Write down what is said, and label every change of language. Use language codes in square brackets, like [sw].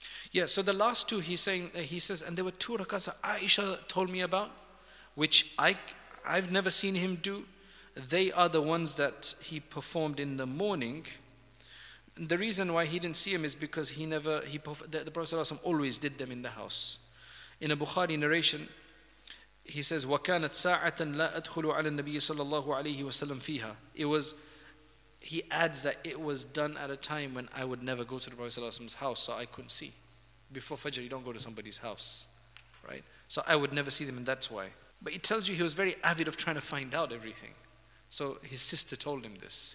[en] Yeah, so the last two, he says, and there were two rakats that Aisha told me about, which I've never seen him do. They are the ones that he performed in the morning. And the reason why he didn't see him is because the Prophet ﷺ always did them in the house. In a Bukhari narration, he says, [ar] وَكَانَتْ سَاعَةً لَا أَدْخُلُ عَلَى النَّبِيِّ صَلَى اللَّهُ عَلَيْهِ وَسَلَّمْ فِيهَا. [en] He adds that it was done at a time when I would never go to the Prophet's house, so I couldn't see. Before Fajr, you don't go to somebody's house, right? So I would never see them, and that's why. But it tells you he was very avid of trying to find out everything. So his sister told him this.